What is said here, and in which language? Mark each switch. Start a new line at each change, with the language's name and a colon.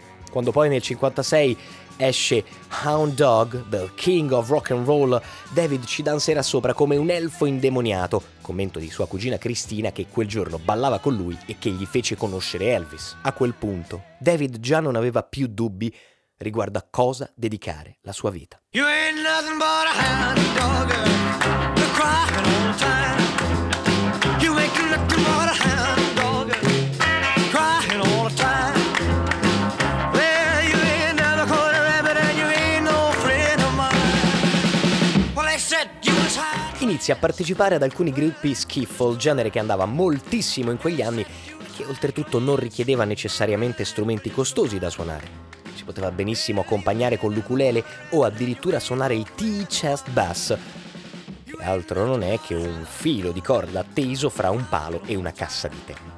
Italian: Quando poi nel 56 esce Hound Dog, The King of Rock and Roll, David ci danzerà sopra come un elfo indemoniato, commento di sua cugina Cristina che quel giorno ballava con lui e che gli fece conoscere Elvis. A quel punto David già non aveva più dubbi riguardo a cosa dedicare la sua vita.
English: You ain't nothing but a hound dog, crying all the time. You ain't nothing but a hound dog, crying all the time. Well, you ain't never caught a rabbit and you ain't no friend of mine. Well, they said you was hiding.
Italian: Inizia a partecipare ad alcuni gruppi skiffle, genere che andava moltissimo in quegli anni e che oltretutto non richiedeva necessariamente strumenti costosi da suonare. Si poteva benissimo accompagnare con l'ukulele o addirittura suonare il T-chest bass, che altro non è che un filo di corda teso fra un palo e una cassa di tè.